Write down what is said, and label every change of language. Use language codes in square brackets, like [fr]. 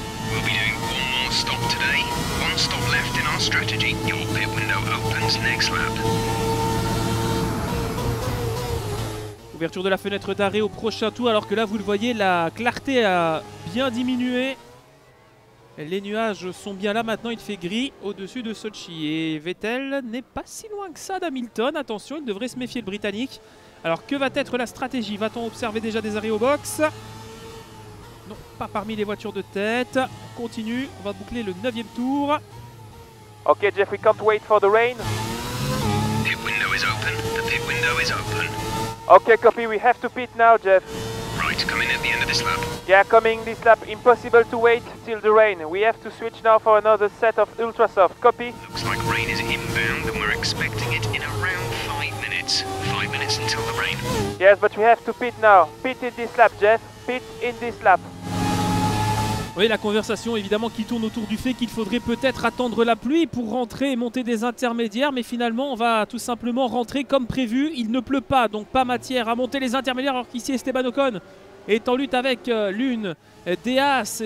[en] We'll be doing one more stop today. One stop left in our strategy. Your pit window opens next lap. [fr] Ouverture de la fenêtre d'arrêt au prochain tour, alors que là, vous le voyez, la clarté a bien diminué. Les nuages sont bien là, maintenant il fait gris au-dessus de Sochi. Et Vettel n'est pas si loin que ça d'Hamilton. Attention, il devrait se méfier le Britannique. Alors que va être la stratégie? Va-t-on observer déjà des arrêts au box? Non, pas parmi les voitures de tête. On continue, on va boucler le 9e tour. [en] Ok Jeff, we can't wait for the rain. Pit window is open, the pit window is open. Ok, copy, we have to pit now Jeff. Right, coming at the end of this lap. Yeah, coming this lap, impossible to wait till the rain. We have to switch now for another set of ultrasoft, copy. Looks like rain is inbound and we're expecting it in around 5 minutes. 5 minutes until the rain. Yes, but we have to pit now. Pit in this lap Jeff, pit in this lap. [fr] Oui, la conversation évidemment qui tourne autour du fait qu'il faudrait peut-être attendre la pluie pour rentrer et monter des intermédiaires. Mais finalement, on va tout simplement rentrer comme prévu. Il ne pleut pas, donc pas matière à monter les intermédiaires. Alors qu'ici, Esteban Ocon est en lutte avec l'une des As.